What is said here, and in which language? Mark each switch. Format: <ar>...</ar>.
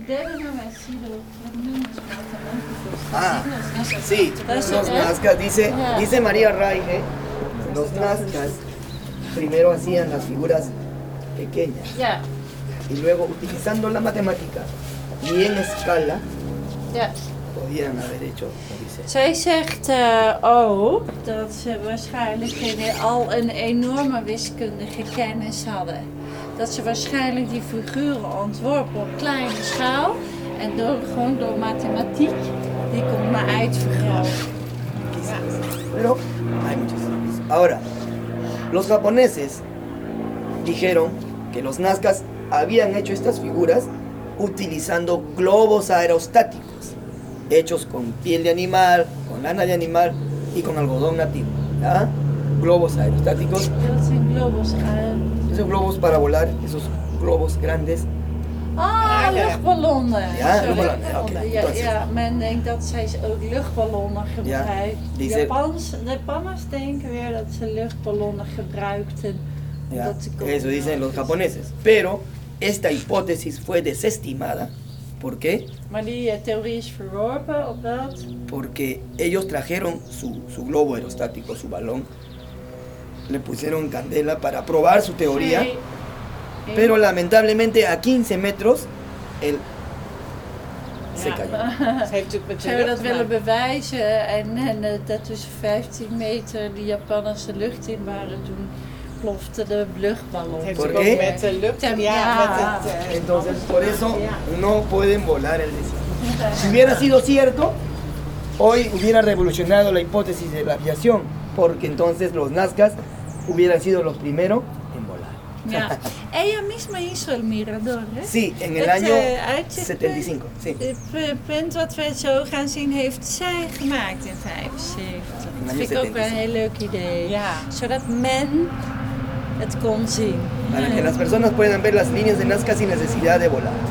<es>deben haber sido. Ah, sí, los nazcas, dice María Ray, los nazcas primero hacían las figuras pequeñas. Ya. Y luego, utilizando la matemática y en escala, podían haber hecho, dice.</es> <nl>Zij zegt ook dat ze waarschijnlijk al een enorme wiskundige kennis hadden. Dat ze waarschijnlijk die figuren ontworpen op kleine schaal en door, gewoon door mathematiek die konden uitvergroten. Maar er zijn veel figuren.</nl> <es>Ahora, los japoneses dijeron que los nazcas habían hecho estas figuras utilizando globos aerostáticos hechos con piel de animal, con lana de animal y con algodón nativo. ¿Ya? Globos aerostáticos.</es> <nl>Dat zijn</nl> <es>globos aerostáticos. Esos globos para volar, esos globos grandes.</es> <nl>Ah, luchtballonnen. Ja, luchtballonnen. Okay. Ja, men denkt dat zij ook luchtballonnen gebruikt. Ja, de Japanners denken weer dat ze luchtballonnen gebruikten.</nl> <es>Ja, eso dicen los japoneses. Pero esta hipótesis fue desestimada. ¿Por qué?</es> <nl>Maar die theorie is verworpen, op dat?</nl> <es>Porque ellos trajeron su globo aerostático, su balón. Le pusieron candela para probar su teoría, pero lamentablemente a 15 metros él se cayó.</es> <nl>Ze dat willen bewijzen en dat tussen 15 meter die Japanse lucht in waren toen plofte de luchtballon.</nl> <es>¿Por qué?</es> <nl>Met de lucht. Ja.</nl> <es>Entonces por eso no pueden volar el desierto. Si hubiera sido cierto, hoy hubiera revolucionado la hipótesis de la aviación, porque entonces los nazcas hubieran sido los primeros en volar.</es> <en>Yeah.</en> <es>Ella misma hizo el mirador, ¿eh? Sí, en el año 75. El punto que</es> <nl>we zo gaan zien heeft zij gemaakt in 75. Dat vind ik ook wel een heel leuk idee. Ja. Zodat men het kon zien.</nl> <es>Para que las personas puedan ver las líneas de Nazca sin necesidad de volar.</es>